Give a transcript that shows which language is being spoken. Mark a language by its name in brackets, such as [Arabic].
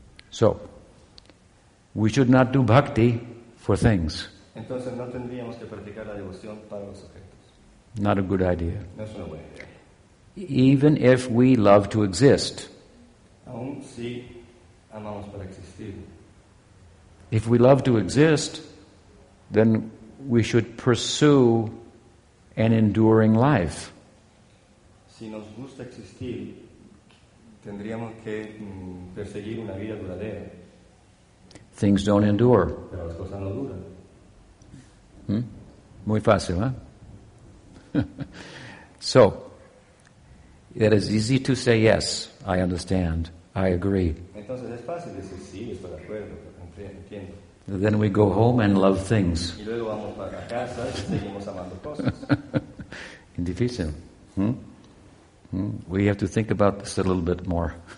[English] So, we should not do bhakti for things. [Spanish] Entonces, no tendríamos que practicar la devoción para los objetos. [English] Not a good idea. [Spanish] No es una buena idea. [English] Even if we love to exist. [Spanish] Aún si amamos para existir. [English] If we love to exist, then we should pursue an enduring life. [Spanish] Si nos gusta existir, tendríamos que perseguir una vida duradera. [English] Things don't endure. [Spanish] Pero las cosas no duran. Muy fácil, ¿eh? [English] So, it is easy to say yes, I understand, I agree. [Spanish] Entonces es fácil decir sí, estoy de acuerdo, entiendo. [English] Then we go home and love things. [Spanish] Y luego vamos para casa y seguimos amando cosas. Indifícil. [English] We have to think about this a little bit more.